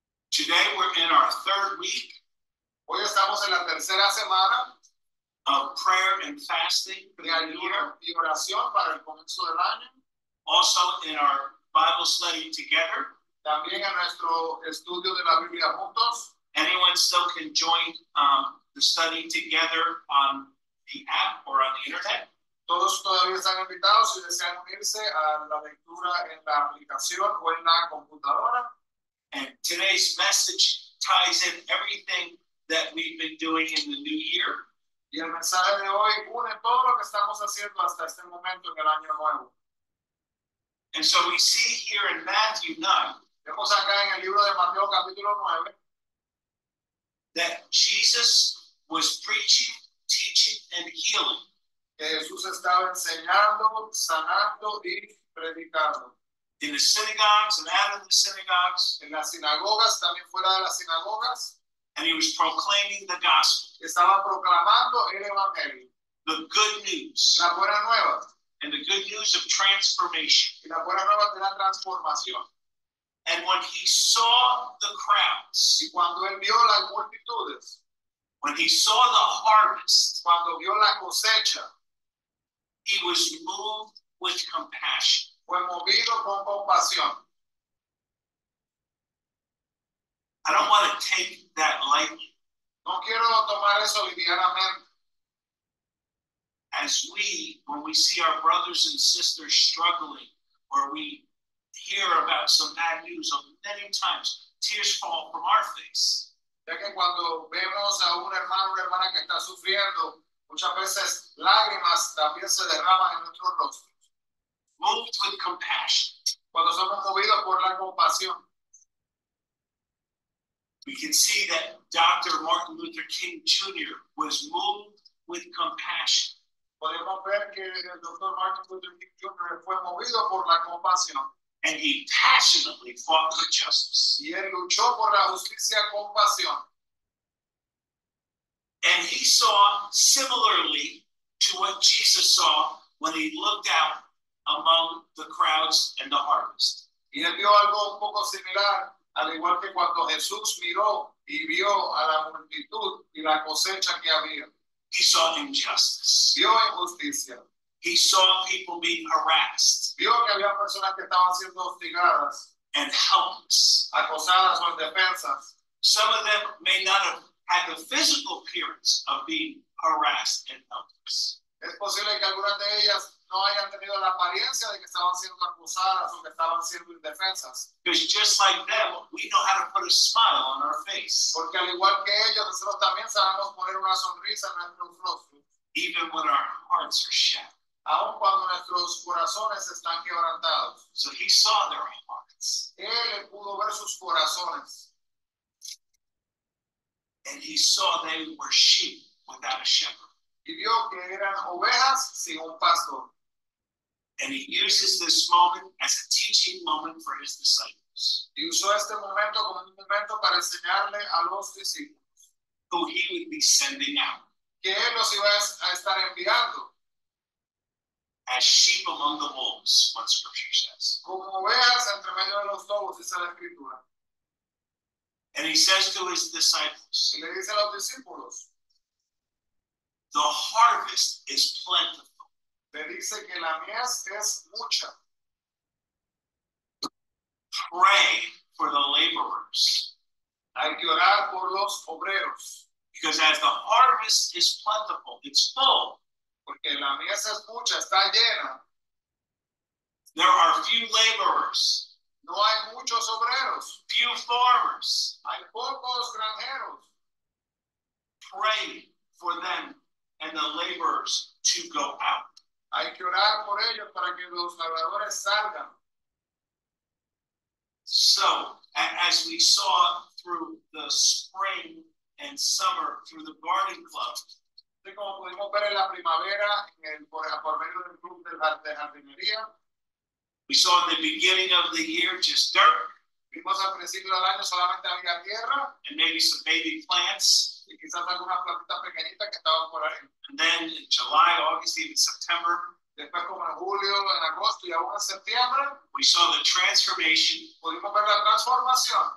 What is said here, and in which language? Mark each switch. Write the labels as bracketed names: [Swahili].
[English] Today we're in our third week. [Spanish] Hoy estamos en la tercera semana [English] of prayer and fasting for the year. [Spanish] Y oración para el comienzo del año. [English] Also in our Bible study together. [Spanish] También en nuestro estudio de la Biblia juntos. [English] Anyone still can join the study together on the app or on the internet. [Spanish] Todos todavía están invitados si desean unirse a la lectura en la aplicación o en la computadora. [English] And today's message ties in everything that we've been doing in the new year. [Spanish] Y el mensaje de hoy une todo lo que estamos haciendo hasta este momento en el año nuevo. [English] And so we see here in Matthew 9. [Spanish] Vemos acá en el libro de Mateo capítulo 9. [English] That Jesus was preaching, teaching, and healing. [Spanish] Que Jesús estaba enseñando, sanando y predicando. [English] In the synagogues and out of the synagogues. [Spanish] En las sinagogas, también fuera de las sinagogas. [English] And he was proclaiming the gospel. [Spanish] Estaba proclamando el evangelio. [English] The good news. [Spanish] La buena nueva. [English] And the good news of transformation. [Spanish] Y la buena nueva de la transformación. [English] And when he saw the crowds. [Spanish] Y cuando él vio las multitudes. [English] When he saw the harvest. [Spanish] Cuando vio la cosecha. [English] He was moved with compassion. [Spanish] Fue movido con compasión. [English] I don't want to take that lightly. [Spanish] No quiero tomar eso livianamente. [English] As we, when we see our brothers and sisters struggling, or we hear about some bad news, many times tears fall from our face. [Spanish] Ya que cuando vemos a un hermano o hermana que está sufriendo, muchas veces lágrimas también se derraman en nuestro rostro. [English] Moved with compassion. [Spanish] Cuando somos movidos por la compasión. [English] We can see that Dr. Martin Luther King Jr. was moved with compassion. [Spanish] Podemos ver que el Dr. Martin Luther King Jr. fue movido por la compasión. [English] And he passionately fought for justice. [Spanish] Y él luchó por la justicia con pasión. [English] And he saw similarly to what Jesus saw when he looked out among the crowds and the harvest. [Spanish] Y él vio algo un poco similar, al igual que cuando Jesús miró y vio a la multitud y la cosecha que había. [English] He saw injustice. [Spanish] Vio injusticia. [English] He saw people being harassed. [Spanish] Vio que había personas que estaban siendo hostigadas. [English] And helpless. [Spanish] Acosadas o indefensas. [English] Some of them may not have had the physical appearance of being harassed and helpless. [Spanish] Es posible que algunas de ellas no hayan tenido la apariencia de que estaban siendo acusadas o que estaban siendo indefensas. [English] Because just like them, we know how to put a smile on our face. [Spanish] Porque al igual que ellos, nosotros también sabemos poner una sonrisa en nuestro rostro. [English] Even when our hearts are shattered. [Spanish] Aun cuando nuestros corazones están quebrantados. [English] So he saw their hearts. [Spanish] Él pudo ver sus corazones. [English] And he saw they were sheep without a shepherd. [Spanish] Y vio que eran ovejas sin un pastor. [English] And he uses this moment as a teaching moment for his disciples. [Spanish] Y usó este momento como un momento para enseñarle a los discípulos. [English] Who he would be sending out. [Spanish] Que él los iba a estar enviando. [English] As sheep among the wolves, what scripture says. [Spanish] Como ovejas entre medio de los lobos, dice la escritura. [English] And he says to his disciples. [Spanish] Y le dice a los discípulos. [English] The harvest is plentiful. [Spanish] Te dice que la mies es mucha. [English] Pray for the laborers. [Spanish] Hay que orar por los obreros. [English] Because as the harvest is plentiful, it's full. [Spanish] Porque la mies es mucha, está llena. [English] There are few laborers. [Spanish] No hay muchos obreros. [English] Few farmers. [Spanish] Hay pocos granjeros. [English] Pray for them. And the laborers to go out. [Spanish] Hay que orar por ellos para que los salvadores salgan. [English] So, as we saw through the spring and summer through the garden club. [Spanish] Así como pudimos ver en la primavera, por medio del club de jardinería. [English] We saw in the beginning of the year just dirt. [Spanish] Vimos al principio del año solamente había tierra. [English] And maybe some baby plants. [Spanish] Y quizás algunas plantitas pequeñitas que estaban por ahí. [English] And then in July, August, even September. [Spanish] Después como en julio, en agosto y aún en septiembre. [English] We saw the transformation. [Spanish] Pudimos ver la transformación.